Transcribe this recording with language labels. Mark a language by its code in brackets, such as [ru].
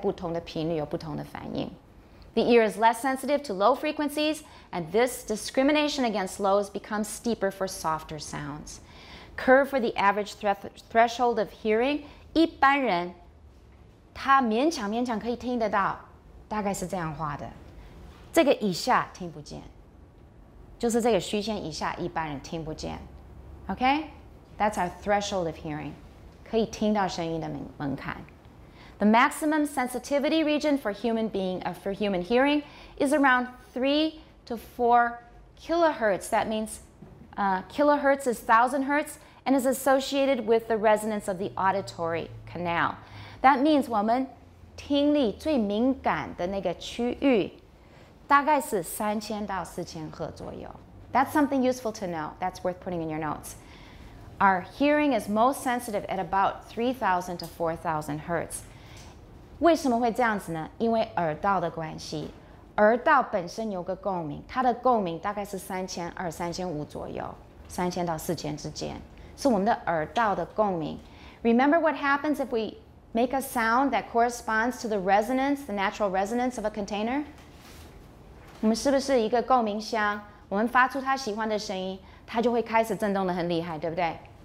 [zh] 就是我们的耳朵有它自己的过滤的一个功能，所以它对不同大小的声音、不同的在不同的频率有不同的反应。 [en] The ear is less sensitive to low frequencies, and this discrimination against lows becomes steeper for softer sounds. Curve for the average threshold of hearing, [zh] 一般人 他勉强可以听得到，大概是这样画的。这个以下听不见，就是这个虚线以下一般人听不见。 [en] Okay, that's our threshold of hearing, [zh] 可以听到声音的门槛。 [en] The maximum sensitivity region for human hearing is around 3 to 4 kilohertz. That means kilohertz is 1,000 hertz and is associated with the resonance of the auditory canal. That means [zh] 我们 听力最敏感的那个区域大概是3000到4000赫左右. [en] That's something useful to know. That's worth putting in your notes. Our hearing is most sensitive at about 3000 to 4000 hertz. [zh] 为什么会这样子呢？因为耳道的关系，耳道本身有个共鸣，它的共鸣大概是3000到3500左右，3000到4000之间，是我们的耳道的共鸣. [en] Remember what happens if we make a sound that corresponds to the resonance, the natural resonance of a container? [zh] 我们是不是一个共鸣箱？我们发出它喜欢的声音，它就会开始震动得很厉害，对不对？